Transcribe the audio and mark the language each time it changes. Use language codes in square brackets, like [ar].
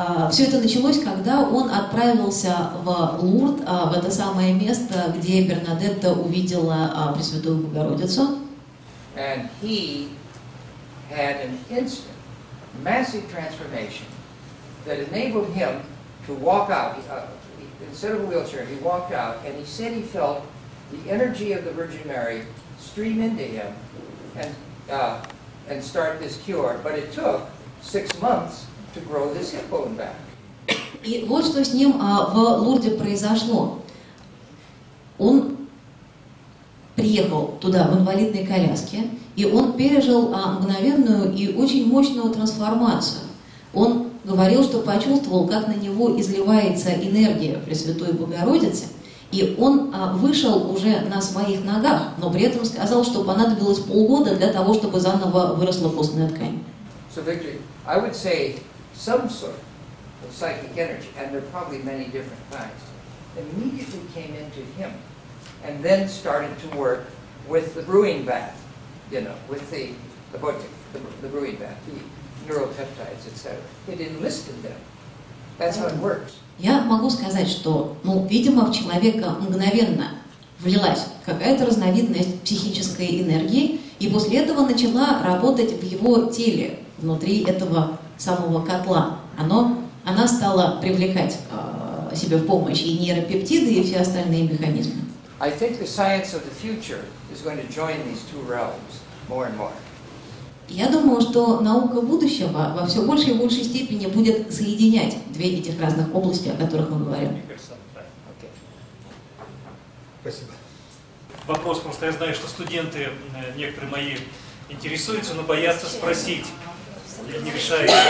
[ru] Все это началось, когда он отправился в Лурд, в это самое место, где Бернадетта увидела Пресвятую Богородицу. [en] And he had an instant, massive transformation that enabled him to walk out. Instead of a wheelchair, he walked out, and he said he felt the energy of the Virgin Mary stream into him. And start this cure, but it took 6 months to grow this hip bone back. [ru] И вот что с ним в Лурде произошло. Он приехал туда в инвалидной коляске, и он пережил мгновенную и очень мощную трансформацию. Он говорил, что почувствовал, как на него изливается энергия Пресвятой Богородицы. И он вышел уже на своих ногах, но при этом сказал, что понадобилось полгода для того, чтобы заново выросла костная ткань. [en] So, Victor, I would say some sort of psychic energy, and there are probably many different kinds, immediately came into him and then started to work with the brewing bath, you know, with the brewing bath, the neuropeptides, etc. It enlisted them. That's how it works. [ru] Я могу сказать, что, ну, видимо, в человека мгновенно влилась какая-то разновидность психической энергии, и после этого начала работать в его теле, внутри этого самого котла. Она стала привлекать себе в помощь и нейропептиды, и все остальные механизмы. [en] I think the science of the future is going to join these two realms more and more. [ru] Я думаю, что наука будущего во все большей и большей степени будет соединять две этих разных области, о которых мы говорим. Спасибо. Вопрос, потому что я знаю, что студенты некоторые мои интересуются, но боятся спросить. Я не решаю.